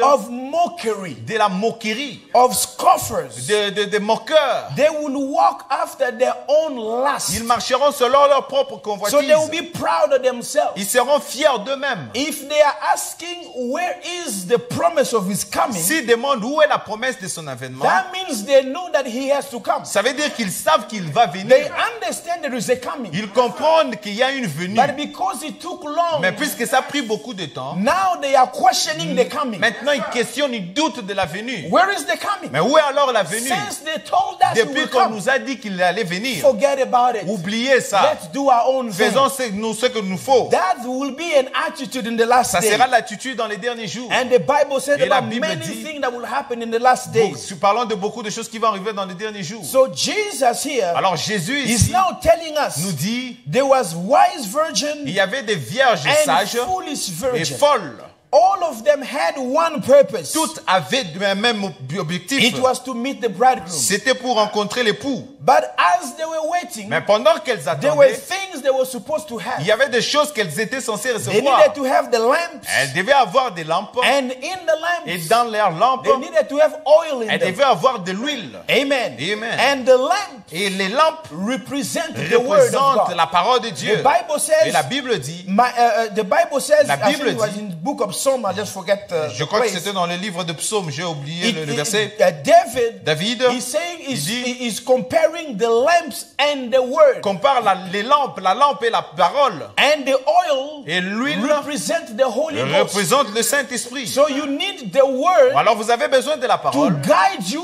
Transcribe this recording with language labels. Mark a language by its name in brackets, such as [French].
[English] of mockery, [French] de la moquerie, [English] of scoffers, [French] de moqueurs, [English] they will walk after their own lust. [French] Ils marcheront selon leur propre convoitise. [English] So they will be proud of themselves. [French] Ils seront fiers d'eux-mêmes. [English] If they are asking, where is the promise of his coming, [French] s'ils demandent où est la promesse de son avènement, [English] that means they know that he has to come. [French] Ça veut dire qu'ils savent qu'il va venir. [English] They understand there is a coming. [French] Ils comprennent qu'il y a une venue. [English] But because it took long, [French] mais puisque ça a pris beaucoup de temps, [English] now they are questioning the coming. [French] Maintenant ils questionnent, ils doutent de la venue. [English] Where is the coming? [French] Mais où est alors la venue? [English] Since they told us [French] depuis qu'on [English] come, [French] nous a dit qu'il allait venir, [English] forget about it. [French] Oubliez ça. [English] Let's do our own thing. [French] Faisons ce que nous faut. [English] That will be an attitude in the last [French] ça sera l'attitude dans les derniers jours. [English] And the Bible said [French] Et [English] about many [French] dit, [English] things that will happen in the last days. [French] Parlons de beaucoup de choses qui vont arriver dans les derniers jours. [English] So Jesus here, [French] alors Jésus ici [English] is now telling us, [French] nous dit, [English] there was wise virgin, [French] il y avait des vierges [English] and [French] sages [English] foolish virgin. [French] Et folles. [English] All of them had one purpose. [French] Toutes avaient le même objectif. [English] It was to meet the bridegroom. [French] C'était pour rencontrer l'époux. [English] But as they were waiting, [French] mais pendant qu'elles attendaient, [English] there were things they were supposed to have. [French] Il y avait des choses qu'elles étaient censées recevoir. [English] They needed to have the lamps. [French] Elles devaient avoir des lampes. [English] And in the lamps, [French] et dans leurs lampes, [English] they needed to have oil in [French] elles [English] them. [French] Elles devaient avoir de l'huile. Amen. Amen. [English] And the lamps, [French] et les lampes, représentent la parole de Dieu. [English] The Bible says, [French] et la Bible dit, [English] the Bible says, [French] la Bible dit, [English] it was in the book of Psalm, I just forget, [French] je crois que c'était dans le livre de Psaume, j'ai oublié le verset. [English] David, he's saying, he's comparing the lamps and the word. [French] Compare les lampes, la lampe et la parole. [English] And the oil, [French] et l'huile, [English] represent the Holy Ghost. [French] Représente le Saint-Esprit. [English] So you need the word. [French] Alors vous avez besoin de la parole. [English] To guide you